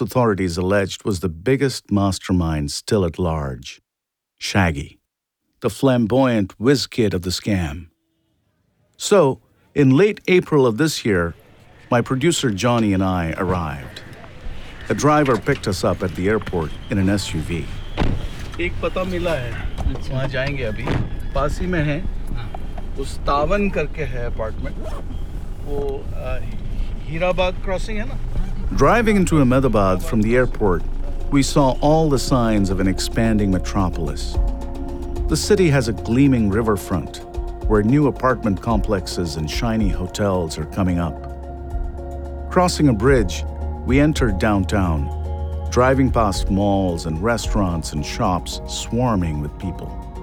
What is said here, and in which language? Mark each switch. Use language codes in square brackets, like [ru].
[en] authorities alleged was the biggest mastermind still at large, Shaggy, the flamboyant whiz kid of the scam. So, in late April of this year, my producer Johnny and I arrived. A driver picked us up at the airport in an SUV. [hi] एक पता मिला है वहाँ जाएंगे अभी पास ही में है उस तावन करके है अपार्टमेंट वो हीराबाग क्रॉसिंग है ना. [en] Driving into Ahmedabad from the airport, we saw all the signs of an expanding metropolis. The city has a gleaming riverfront where new apartment complexes and shiny hotels are coming up. Crossing a bridge, we entered downtown, driving past malls and restaurants and shops swarming with people.